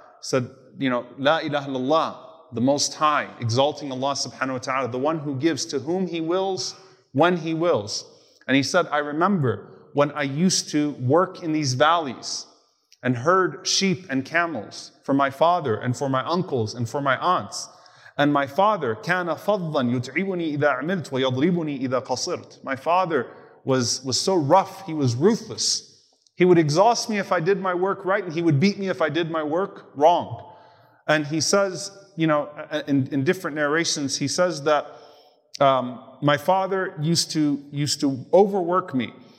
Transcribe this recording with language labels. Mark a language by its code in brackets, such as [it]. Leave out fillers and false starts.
[en] Said, you know, La ilaha illallah, the Most High, exalting Allah subhanahu wa ta'ala, the one who gives to whom he wills, when he wills. And he said, I remember when I used to work in these valleys and herd sheep and camels for my father and for my uncles and for my aunts. And my father, [ar] كَانَ فَضًّا يُتْعِبُنِي إِذَا عَمِلْتُ وَيَضْرِبُنِي إِذَا قَصِرْتُ. [en] My father was so rough, he was ruthless. He would exhaust me if I did my work right and he would beat me if I did my work wrong. And he says, you know, in different narrations, he says that my father used to overwork me.